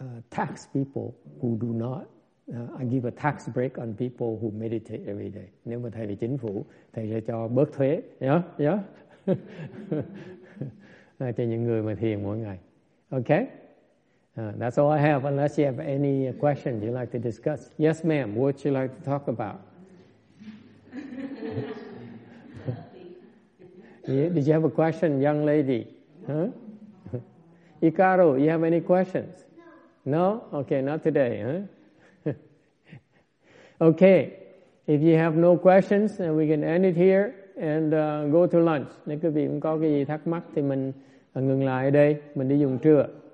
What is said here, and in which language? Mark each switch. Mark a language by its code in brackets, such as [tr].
[en] tax people who do not. I give a tax break on people who meditate every day. [vi] Nếu mà thầy về chính phủ, thầy sẽ cho bớt thuế, cho những người mà thiền mỗi ngày. [en] Okay? That's all I have. Unless you have any questions you'd like to discuss. Yes, ma'am. What would you like to talk about? Did you have a question, young lady? Huh? Ikaru, you have any questions? No. No? Okay, not today, huh? Okay, if you have no questions, then we can end it here and go to lunch. [vi] Nếu quý vị cũng có cái gì thắc mắc thì mình ngừng lại ở đây, mình đi dùng trưa.